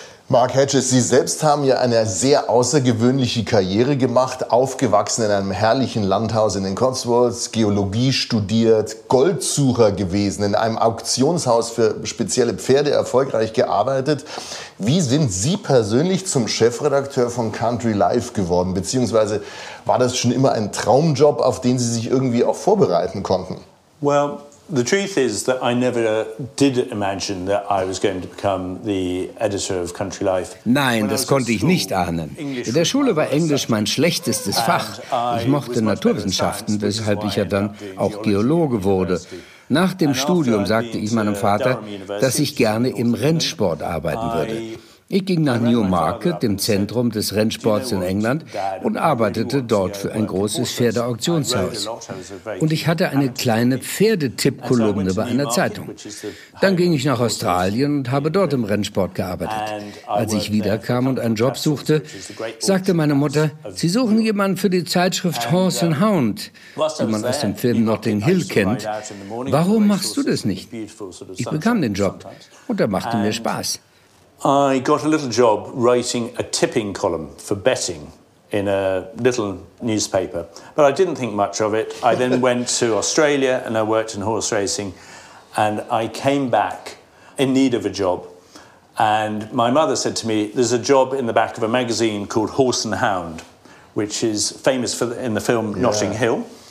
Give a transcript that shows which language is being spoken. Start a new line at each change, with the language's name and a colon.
German: Mark Hedges, Sie selbst haben ja eine sehr außergewöhnliche Karriere gemacht, aufgewachsen in einem herrlichen Landhaus in den Cotswolds, Geologie studiert, Goldsucher gewesen, in einem Auktionshaus für spezielle Pferde erfolgreich gearbeitet. Wie sind Sie persönlich zum Chefredakteur von Country Life geworden? Beziehungsweise war das schon immer ein Traumjob, auf den Sie sich irgendwie auch vorbereiten konnten?
English: Well, the truth is that I never did imagine that I was going to become the editor of Country Life.
German: Nein, das konnte ich nicht ahnen. In der Schule war Englisch mein schlechtestes Fach. Ich mochte Naturwissenschaften, weshalb ich ja dann auch Geologe wurde. Nach dem Studium sagte ich meinem Vater, dass ich gerne im Rennsport arbeiten würde. Ich ging nach Newmarket, dem Zentrum des Rennsports in England, und arbeitete dort für ein großes Pferdeauktionshaus. Und ich hatte eine kleine Pferdetipp-Kolumne bei einer Zeitung. Dann ging ich nach Australien und habe dort im Rennsport gearbeitet. Als ich wiederkam und einen Job suchte, sagte meine Mutter, Sie suchen jemanden für die Zeitschrift Horse and Hound, die man aus dem Film Notting Hill kennt. Warum machst du das nicht? Ich bekam den Job und er machte mir Spaß.
English: I got a little job writing a tipping column for betting in a little newspaper, but I didn't think much of it. I then went to Australia and I worked in horse racing, and I came back in need of a job. And my mother said to me, "There's a job in the back of a magazine called Horse and Hound, which is famous for in the film Notting Hill."